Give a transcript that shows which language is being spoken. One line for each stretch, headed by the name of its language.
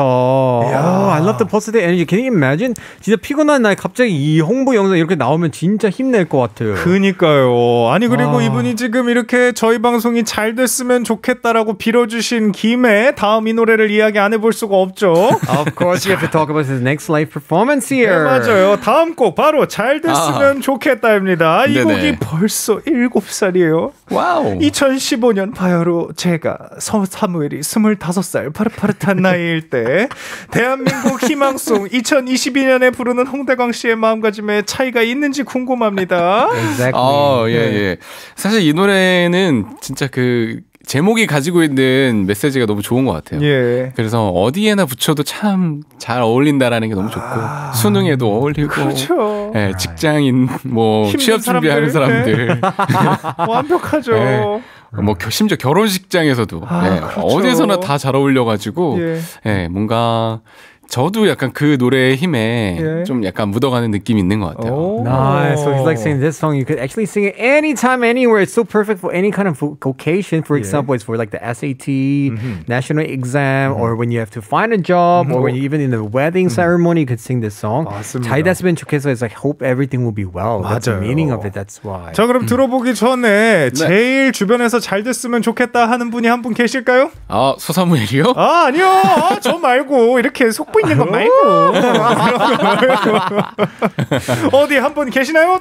Korean: 야,
English: I love the positive energy. Can you imagine?
Korean: 진짜 피곤한 날 갑자기 이 홍보 영상 이렇게 나오면 진짜 힘낼 것 같아요. 그러니까요. 아니 그리고 이분이 지금 이렇게 저희 방송이 잘 됐으면 좋겠다라고 빌어주신 김에 다음 이 노래를 이야기 안 해볼 수가 없죠.
English: Of course, you have to talk about his next live performance here.
Korean: 네, 맞아요. 다음 곡 바로 잘 됐으면 좋겠다입니다. 있습니다. 이 네네. 곡이 벌써 7살이에요. 와우. 2015년 바야흐로 제가 사무엘이 25살 파릇파릇한 나이일 때 대한민국 희망송 2022년에 부르는 홍대광 씨의 마음가짐에 차이가 있는지 궁금합니다.
English: Exactly. 예예.
Korean: 사실 이 노래는 진짜 그 제목이 가지고 있는 메시지가 너무 좋은 것 같아요. 예. 그래서 어디에나 붙여도 참 잘 어울린다라는 게 너무 좋고 아... 수능에도 어울리고 그렇죠. 예, 직장인 뭐 취업 준비하는 사람들, 사람들. 완벽하죠. 예. 뭐 심지어 결혼식장에서도 아, 예. 그렇죠. 어디에서나 다 잘 어울려가지고 예. 예, 뭔가 저도 약간 그 노래의 힘에 예. 좀 약간 묻어가는 느낌이 있는 것 같아요.
English: Nice. So he's like saying this song. You could actually sing it anytime, anywhere. It's so perfect for any kind of vocation. For example, it's for like the SAT, national exam, or when you have to find a job, or when you even in the wedding ceremony, you could sing this song.
Korean: 맞습니다.
English: 잘 됐으면 좋겠어. It's like hope everything will be well.
Korean: 맞아요.
English: That's the meaning of it. That's why.
Korean: 자, 그럼 들어보기 전에 제일 주변에서 잘 됐으면 좋겠다 하는 분이 한 분 계실까요? 아, 소사무엘이요? 아, 아니요. 아, 저 말고 이렇게 속 있는 거 말고 어디 한 분 계시나요?